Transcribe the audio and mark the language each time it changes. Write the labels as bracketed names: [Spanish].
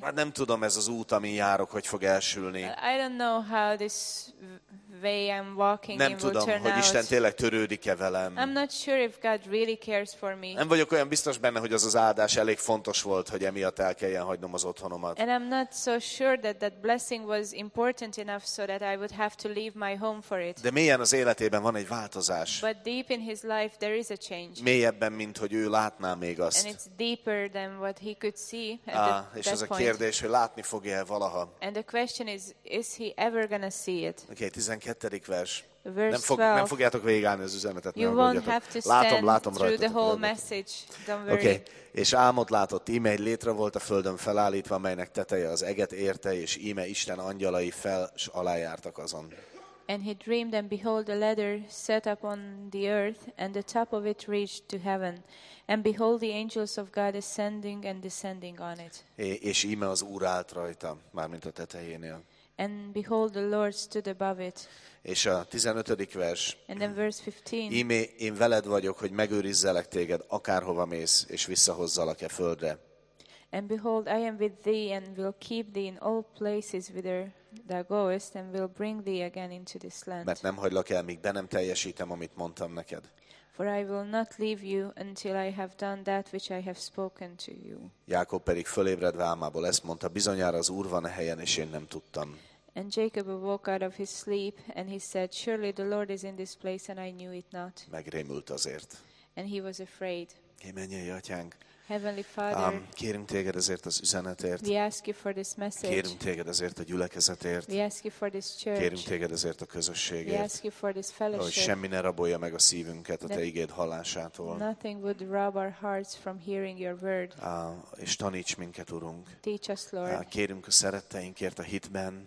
[Hungarian] hát nem tudom, ez az út, amin járok, hogy fog elsülni. [English] I don't know how this way I'm walking [Hungarian] nem tudom, hogy Isten tényleg törődik-e velem. [English] I'm not sure if God really cares for me. [Hungarian] Nem vagyok olyan biztos benne, hogy az áldás elég fontos volt, hogy emiatt el kelljen hagynom az otthonomat. [English] And I'm not so sure that blessing was important enough so that I would have to leave my home for it. [Hungarian] De mélyen az életében van egy változás. [English] But deep in his life there is a change. [Hungarian] Mélyebben, mint hogy ő látná még azt. [English] And it's deeper than what he could see at [Hungarian] és ez a kérdés, hogy látni fogja-e valaha. [English] And the question is he ever gonna see it? [Hungarian] Okay, hetedik vers. Nem fogjátok végigállni az üzenetet, nem fogjátok. Látom rajtatok. [English] The whole message. Don't worry. Okay. [Hungarian] És álmot látott, íme egy létre volt a földön felállítva, amelynek teteje az eget érte, és íme Isten angyalai fel s alájártak azon. [English] And he dreamed, and behold, a ladder set up on the earth, and the top of it reached to heaven. And behold, the angels of God ascending and descending on it. [Hungarian] És íme az Úr állt rajta, mármint a tetejénél. [English] And behold, the Lord stood above it. [Hungarian] És a 15. vers. [English] And then verse 15. [Hungarian] Íme, én veled vagyok, hogy megőrizzelek téged, akárhova mész, és visszahozzalak a földre. [English] And behold, I am with thee, and will keep thee in all places whither thou goest, and will bring thee again into this land. [Hungarian] Mert nem hagylak el, míg be nem teljesítem, amit mondtam neked. [English] For I will not leave you until I have done that which I have spoken to you. [Hungarian] Jákob pedig fölébredve álmából ezt mondta, bizonyára az Úr van a helyen, és én nem tudtam. [English] And Jacob awoke out of his sleep, and he said, surely the Lord is in this place, and I knew it not. [Hungarian] Megrémült azért. [English] And he was afraid. [Hungarian] Mennyei atyánk. [English] Heavenly Father, [Hungarian] kérünk téged ezért az üzenetért. [English] We ask you for this message. [Hungarian] Kérünk téged ezért a gyülekezetért. [English] We ask you for this church. [Hungarian] Kérünk téged ezért a közösségért. [English] We ask you for this fellowship. [Hungarian] Hogy semmi ne rabolja meg a szívünket a te igéd hallásától. [English] Nothing would rob our hearts from hearing your word. [Hungarian] És taníts minket, Urunk. [English] Teach us, Lord. [Hungarian] Kérünk a szeretteinkért a hitben.